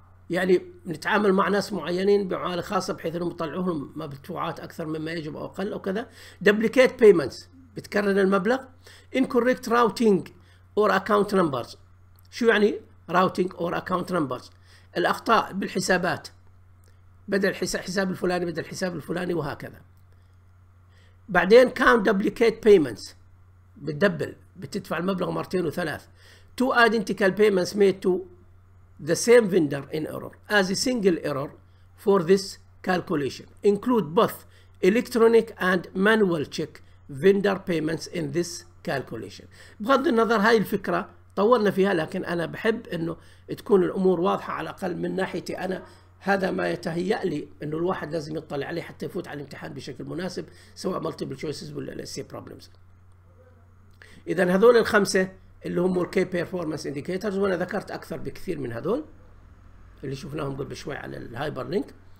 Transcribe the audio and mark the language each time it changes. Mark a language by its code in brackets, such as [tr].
[ar] يعني نتعامل مع ناس معينين بمعاملة خاصة بحيث انهم يطلعوهم مدفوعات اكثر مما يجب او اقل او كذا [en] duplicate payments [ar] بتكرر المبلغ [en] incorrect routing or account numbers [ar] شو يعني [en] routing or account numbers [ar] الاخطاء بالحسابات بدل الحساب الفلاني بدل الحساب الفلاني وهكذا. بعدين [en] count duplicate payments [ar] بتدبل بتدفع المبلغ مرتين وثلاث. [en] two identical payments made to the same vendor in error as a single error for this calculation. include both electronic and manual check vendor payments in this calculation. [ar] بغض النظر هاي الفكرة طولنا فيها لكن أنا بحب إنه تكون الأمور واضحة على الأقل من ناحيتي أنا. هذا ما يتهيأ لي إنه الواحد لازم يطلع عليه حتى يفوت على الامتحان بشكل مناسب سواء [en] multiple choices [ar] ولا LSE problems. إذا هذول الخمسة اللي هم الكي بيرفورمانس انديكيتورز وأنا ذكرت أكثر بكثير من هذول اللي شفناهم قبل شوي على الهايبر لينك.